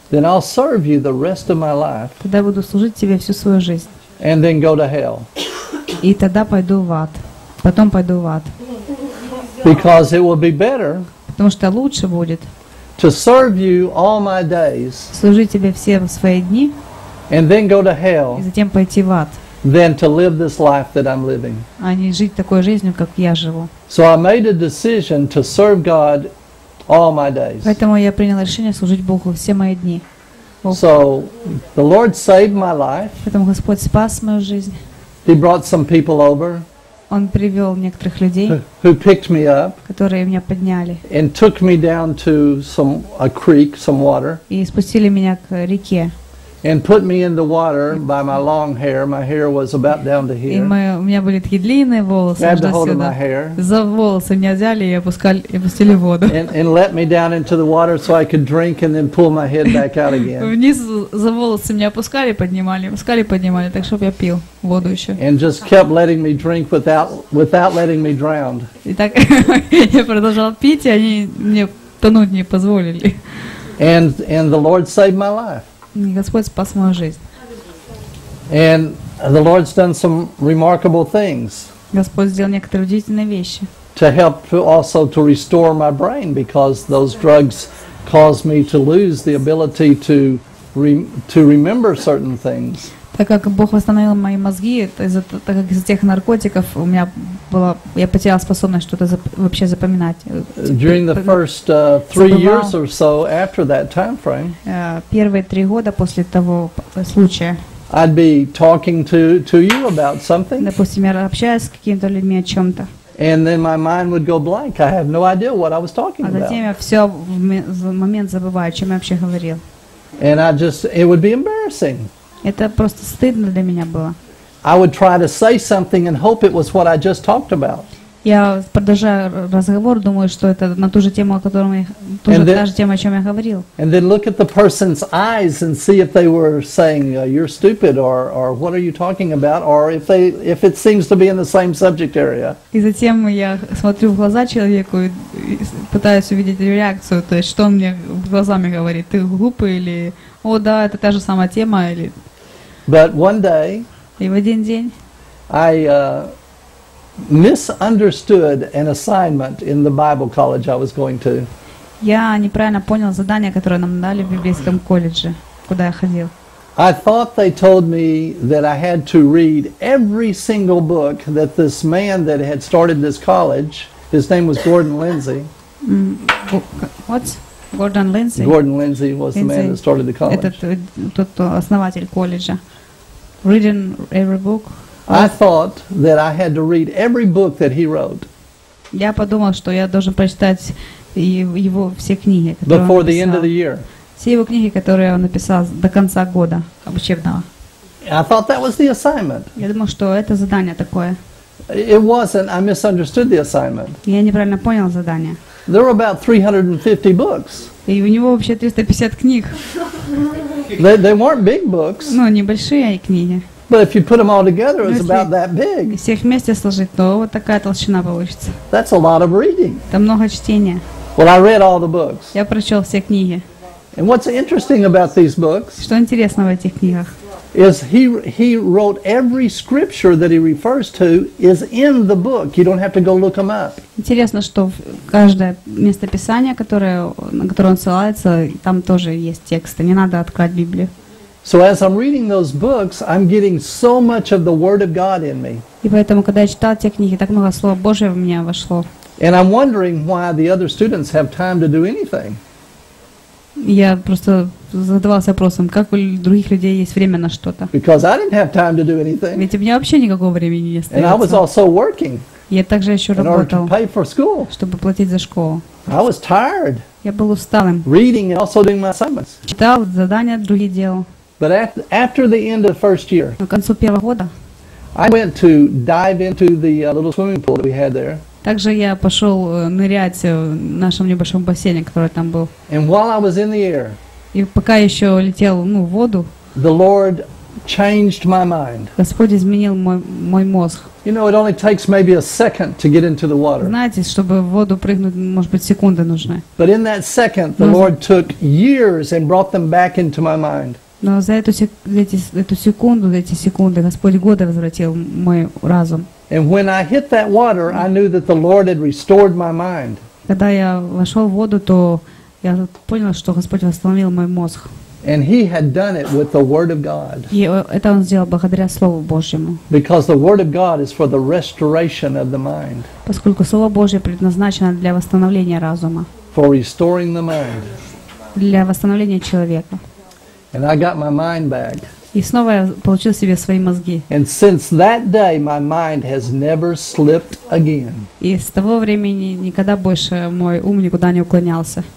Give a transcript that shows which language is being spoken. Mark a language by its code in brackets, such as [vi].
[en] then I'll serve you the rest of my life. [ru] Тогда буду служить тебе всю свою жизнь. [en] And then go to hell. [ru] И тогда пойду в ад. Потом пойду в ад. [en] Because it will be better. [ru] Потому что лучше будет. [en] To serve you all my days. [ru] Служить тебе все свои дни. [en] And then go to hell. [ru] И затем пойти в ад. [en] Than to live this life that I'm living. [ru] А не жить такой жизнью, как я живу. [en] So I made a decision to serve God all my days. [ru] Поэтому я принял решение служить Богу все мои дни. [en] So the Lord saved my life. [ru] Поэтому Господь спас мою жизнь. [en] He brought some people over. [ru] Он привел некоторых людей, [en] who picked me up, [ru] которые меня подняли, [en] and took me down to some a creek, some water, [ru] и спустили меня к реке, [en] and put me in the water by my long hair. My hair was about down to here. [ru] И у меня были такие длинные волосы, [en] grabbed a hold of my hair, [ru] за волосы меня взяли и опустили в воду, [en] and let me down into the water so I could drink, and then pull my head back out again. [ru] Вниз за волосы меня опускали, поднимали, так чтобы я пил воду еще. [en] And just kept letting me drink without letting me drown. [ru] И так я продолжал пить, и они мне тонуть не позволили. [en] And the Lord saved my life. [ru] И Господь спас мою жизнь. [en] And the Lord's done some remarkable things. [ru] Господь сделал некоторые удивительные вещи. [en] To help also to restore my brain, because those drugs caused me to lose the ability to remember certain things. [ru] Так как Бог восстановил мои мозги, так как из-за тех наркотиков у меня было, я потеряла способность что-то вообще запоминать. [en] During the first three years or so after that time frame, [ru] первые три года после того случая, [en] I'd be talking to you about something. [ru] Допустим, я общаюсь с какими-то людьми о чем-то. [en] And then my mind would go blank. I have no idea what I was talking about. [ru] А затем я все в момент забываю, о чем я вообще говорил. [en] And I just, it would be embarrassing. [ru] Это просто стыдно для меня было. [en] I would try to say something and hope it was what I just talked about. [ru] Я продолжаю разговор, думаю, что это на ту же тему, о которой та же тема, о чем я говорил. [en] And then look at the person's eyes and see if they were saying you're stupid or what are you talking about, or if it seems to be in the same subject area. [ru] И затем я смотрю в глаза человеку и пытаюсь увидеть реакцию, то есть что он мне глазами говорит, ты глупый или о, да, это та же самая тема или. [en] But one day. [ru] И в один день. [en] I misunderstood an assignment in the Bible college I was going to. [ru] Я неправильно понял задание, которое нам дали в библейском колледже, куда я ходил. [en] I thought they told me that I had to read every single book that this man that had started this college, his name was Gordon Lindsay. What? Gordon Lindsay? Gordon Lindsay was the man that started the college. [ru] Этот основатель колледжа. [en] Reading every book. I thought that I had to read every book that he wrote. [ru] Я подумал, что я должен прочитать его все книги, которые он написал. [en] Before the end of the year. [ru] Все его книги, которые он написал до конца года учебного. [en] I thought that was the assignment. [ru] Я думал, что это задание такое. [en] It wasn't. I misunderstood the assignment. [ru] Я неправильно понял задание. [en] There were about 350 books. [ru] И у него вообще 350 книг. [en] They weren't big books. [ru] Ну, небольшие книги. [en] But if you put them all together, it's about that big. [ru] Всех вместе сложить, то вот такая толщина получится. [en] That's a lot of reading. [ru] Там много чтения. [en] Well, I read all the books. [ru] Я прочел все книги. [en] And what's interesting about these books? [ru] Что интересно в этих книгах? [en] Is he wrote every scripture that he refers to is in the book. You don't have to go look them up. [ru] Интересно, что каждое местописание, которое на которое он ссылается, там тоже есть тексты. Не надо открывать Библию. [en] So as I'm reading those books, I'm getting so much of the Word of God in me. [ru] И поэтому, когда я читал те книги, так много Слова Божьего в меня вошло. [en] And I'm wondering why the other students have time to do anything. [ru] Я просто задавался вопросом, как у других людей есть время на что-то. [en] Because I didn't have time to do anything. [ru] Ведь у меня вообще никакого времени не остается. [en] And I was also working. [ru] Я также еще работал. [en] In order to pay for school. [ru] Чтобы платить за школу. [en] I was tired. [ru] Я был усталым. [en] Reading and also doing my assignments. [ru] Читал задания, другие делал. [en] But after the end of the first year, [ru] к концу первого года, [en] I went to dive into the little swimming pool that we had there. [ru] Также я пошел нырять в нашем небольшом бассейне, который там был. [en] And while I was in the air, [ru] и пока я еще летел, в воду, [en] the Lord changed my mind. [ru] Господь изменил мой мозг. [en] You know, it only takes maybe a second to get into the water. [ru] Знаете, чтобы в воду прыгнуть, может быть, секунды нужны. [en] But in that second, the Lord took years and brought them back into my mind. [ru] Но за эти секунды Господь годы возвратил мой разум. [en] And when I hit that water, I knew that the Lord had restored my mind. [ru] Когда я вошел в воду, то я понял, что Господь восстановил мой мозг. [en] And he had done it with the Word of God. [ru] И это он сделал благодаря Слову Божьему. [en] Because the Word of God is for the restoration of the mind. [ru] Поскольку Слово Божье предназначено для восстановления разума. [en] For restoring the mind. [ru] Для восстановления человека. [en] And I got my mind back. [ru] И снова я получил себе свои мозги. [en] And since that day, my mind has never slipped again. [ru] И с того времени никогда больше мой ум никуда не уклонялся.